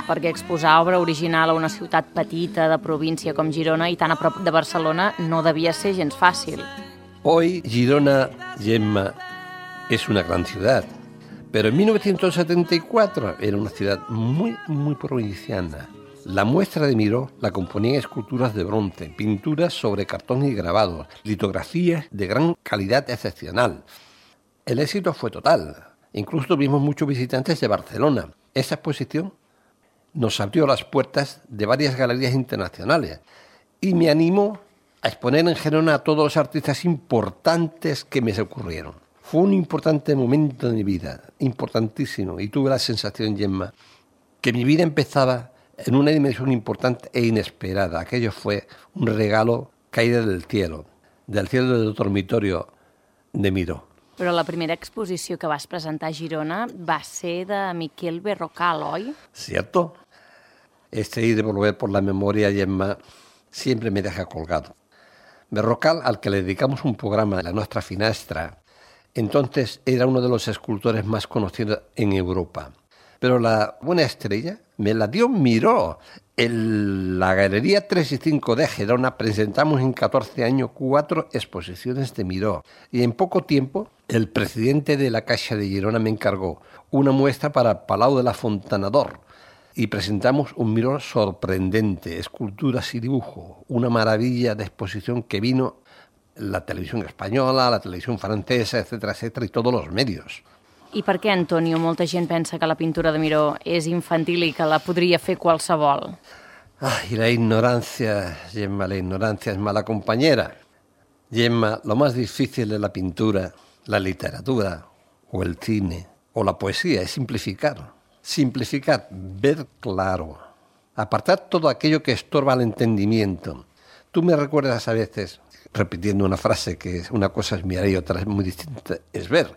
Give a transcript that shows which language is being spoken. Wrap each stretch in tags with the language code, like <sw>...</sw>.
<ca>Perquè exposar obra original a una ciutat petita de província com Girona i tan a prop de Barcelona no devia ser gens fàcil.</ca> <es>Hoy</es> <ca>Girona, Gemma, és una gran ciutat. Però en 1974 era una ciutat</ca> <es>muy, muy</es> <ca>provinciana.</ca> <es>La muestra de Miró la componían esculturas de bronce, pinturas sobre cartón y grabados, litografías de gran calidad excepcional. El éxito fue total. Incluso tuvimos muchos visitantes de Barcelona. Esta exposición nos abrió las puertas de varias galerías internacionales y me animó a exponer en Girona a todos los artistas importantes que me ocurrieron. Fue un importante momento de mi vida, importantísimo, y tuve la sensación, Gemma, que mi vida empezaba en una dimensión importante e inesperada. Aquello fue un regalo caído del cielo del dormitorio de Miró.</es> <ca>Però la primera exposició que vas presentar a Girona va ser de Miquel Berrocal, oi?</ca> <es>Cierto. Este ir de volver por la memoria, Gemma, siempre me deja colgado. Berrocal, al que le dedicamos un programa en la nuestra finestra, entonces era uno de los escultores más conocidos en Europa. Pero la buena estrella me la dio Miró. En la Galería 3 y 5 de Girona presentamos en 14 años 4 exposiciones de Miró. Y en poco tiempo, el presidente de la Caixa de Girona me encargó una muestra para el Palau de la Fontana d'Or. Y presentamos un Miró sorprendente, esculturas y dibujo. Una maravilla de exposición que vino la televisión española, la televisión francesa, etcétera, etcétera, y todos los medios.</es> <ca>I per què, Antonio, molta gent pensa que la pintura de Miró és infantil i que la podria fer qualsevol? Ay, la ignorància, Gemma, la ignorància és mala companyera.</ca> <es>Gemma, lo más difícil de la pintura, la literatura, o el cine, o la poesía, es simplificar. Simplificar, ver claro. apartar todo aquello que estorba el entendimiento. Tú me recuerdas a veces, repitiendo una frase que es una cosa es mirar y otra es muy distinta, es ver.</es>